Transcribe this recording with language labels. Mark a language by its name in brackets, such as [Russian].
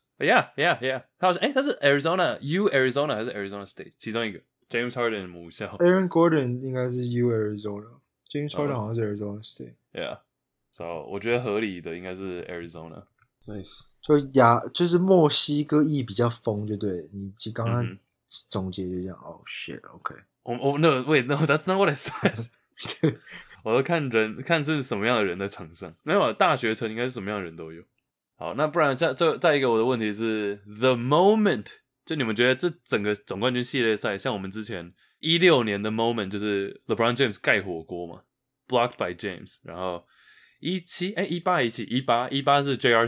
[Chinese] ？Yeah， 他说，他是 Arizona U Arizona 还是 Arizona State 其中一个 James Harden 的母校？Aaron Gordon 应该是 U Arizona， James Harden 好像是 Arizona State。 Yeah， 所以我觉得合理的应该是 Arizona。 [English] Nice， [Chinese] 所以亚就是墨西哥裔比较疯，就对你刚刚总结就这样。 [English] Mm-hmm. Oh shit，OK、okay. oh, oh, no, wait, no, that's not what I said. [Chinese] 我都看人看是什么样的人在场上，没有大学城应该是什么样的人都有。好，那不然再一个我的问题是 the moment， 就你们觉得这整个总冠军系列赛，像我们之前16年的 moment 就是 LeBron James 盖火锅嘛 ， [English] blocked by James， [Chinese] 然后18是 J.R.